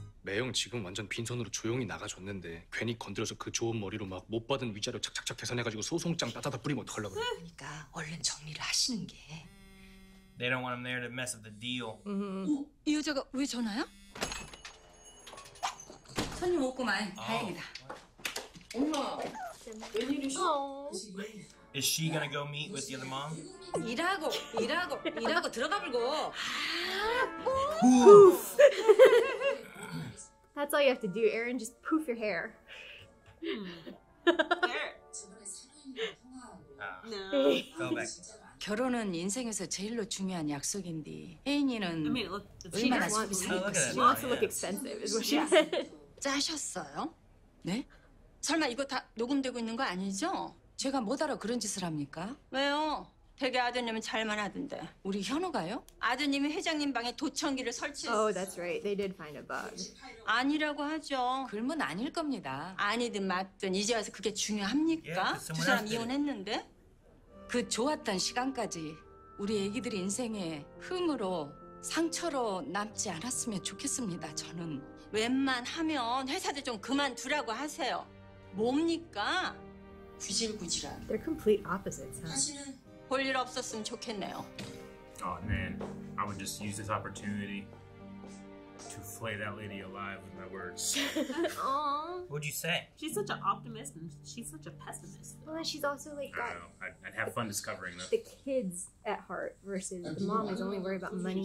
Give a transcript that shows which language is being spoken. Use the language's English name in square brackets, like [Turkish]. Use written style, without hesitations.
[Korean] 매영 지금 완전 빈손으로 조용히 나가줬는데 괜히 건드려서 그 좋은 머리로 막 못 받은 위자료 착착착 계산해가지고 소송장 따다다 뿌리면 어떡하려고 그래. 그러니까 얼른 정리를 하시는 게. [English] They don't want him there to mess up the deal. [Korean] 이 여자가 왜 전화야? 손님 오고만 다행이다. 엄마, 웬일이셔? [English] Is she gonna go meet with the other mom? [Korean] 일하고 일하고 일하고 들어가 불고. [English] Poof. That's all you have to do, Aaron. Just poof your hair. No. Go back. [Korean] 결혼은 인생에서 제일로 중요한 약속인데 혜인이는 얼마나 속이 상했을까? [English] She wants to look expensive, is what she said. [Korean] 짜셨어요? 네? 설마 이거 다 녹음되고 있는 거 아니죠? 제가 못 알아 그런 짓을 합니까? 왜요? 되게 아드님은 잘만 하던데. 우리 현우가요? 아드님이 회장님 방에 도청기를 설치했어. [English] Oh, that's right. They did find a bug. [Korean] 아니라고 하죠. 글문 아닐 겁니다. 아니든 맞든 이제 와서 그게 중요합니까? Yeah, 두 사람 이혼했는데? 그 좋았던 시간까지 우리 애기들 인생에 흥으로 상처로 남지 않았으면 좋겠습니다, 저는. 웬만하면 회사들 좀 그만두라고 하세요. 뭡니까? 구질구질한. [English] They're complete opposites, huh? [Korean] 사실은 볼일 없었으면 좋겠네요. [English] Oh, man. I would just use this opportunity to flay that lady alive with my words. Aww. What'd you say? She's such an optimist and she's such a pessimist. Well, and she's also like that. I don't know. I'd have fun discovering that. The kids at heart versus the mom is only worried about money.